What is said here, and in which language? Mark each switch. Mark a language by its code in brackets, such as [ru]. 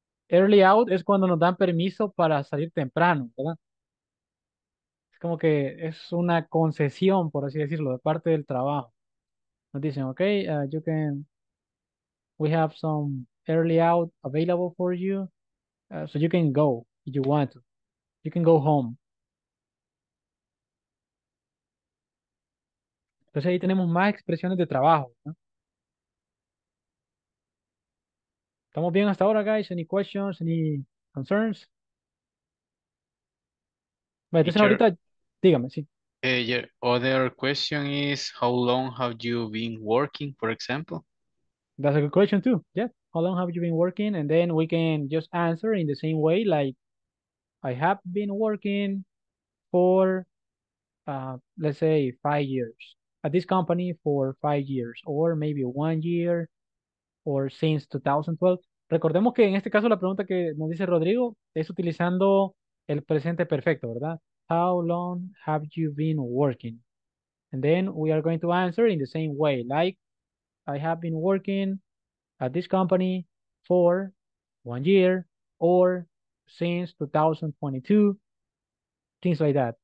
[es] Early out es cuando nos dan permiso para salir temprano, ¿verdad? Como que es una concesión, por así decirlo, de parte del trabajo. Nos dicen, [en] ok, you can, we have some early out available for you, so you can go if you want to. You can go home. [es] Entonces ahí tenemos más expresiones de trabajo, ¿no? ¿Estamos bien hasta ahora, [en] guys? Any questions, any concerns? [es] Bueno, entonces ahorita... Dígame, sí. [en] Your other question is, how long have you been working, for example? That's a good question too, yeah. How long have you been working? And then we can just answer in the same way, like, I have been working for, let's say, 5 years. At this company for 5 years, or maybe 1 year, or since 2012. [es] Recordemos que en este caso la pregunta que nos dice Rodrigo es utilizando el presente perfecto, ¿verdad? [en] How long have you been working? And then we are going to answer in the same way. Like, I have been working at this company for 1 year or since 2022, things like that.